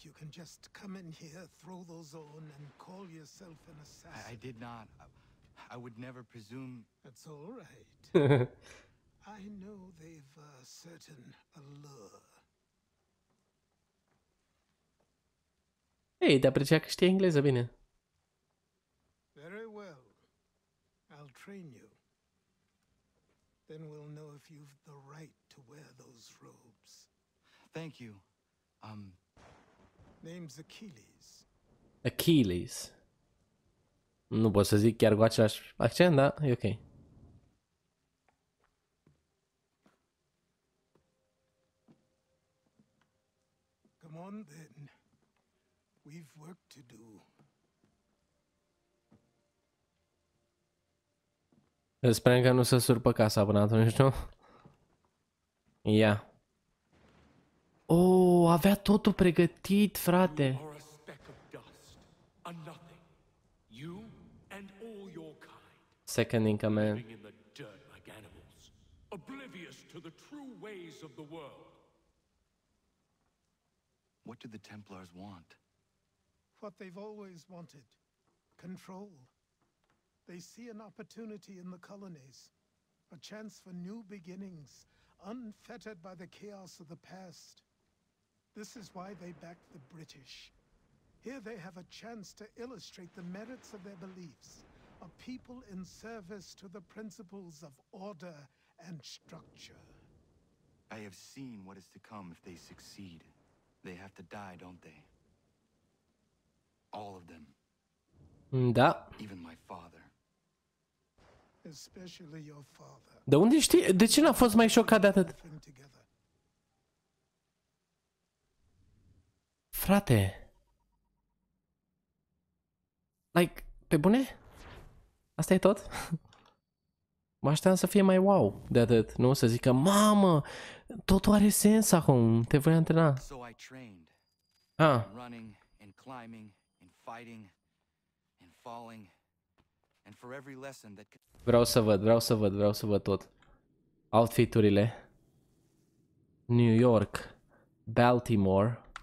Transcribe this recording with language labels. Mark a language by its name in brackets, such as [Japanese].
[English] Just come in here, throw those on, and call yourself an assassin. I did not. I would never presume. That's all right. I know they've a certain allure. [Romanian] Hey, dar că știi engleză bine. [English] Very well. I'll train you. Then we'll know if you've the right to wear those robes. Thank you. Name's Achilles. Achilles. [Romanian] Nu pot să zic chiar cu același accent, da? E ok. [English] Come on then. We've work to do. [Romanian] Sperăm că nu se surpă casa până atunci, nu? Ia. Yeah. Oh, avea totul pregătit, frate. [English] You are a speck of dust, a nothing. You and all your kind. Second in command. Living in the dirt like animals, oblivious to the true ways of the world. What do the Templars want? What they've always wanted. Control. They see an opportunity in the colonies. A chance for new beginnings, unfettered by the chaos of the past. This is why they backed the British. Here they have a chance to illustrate the merits of their beliefs, a people in service to the principles of order and structure. I have seen what is to come if they succeed. They have to die, don't they? All of them. [Romanian] Da. [English] Even my father. Especially your father. [Romanian] De unde știi? De ce n-a fost mai șocat de atât? Frate. Like, pe bune? Asta e tot? Mă așteptam să fie mai wow de atât, nu? Să zică, mamă, totul are sens acum, te voi antrena. [English] So I trained. Ah. Running and climbing and fighting and falling and for every lesson that... [Romanian] Vreau să văd tot. Outfiturile. New York. Baltimore.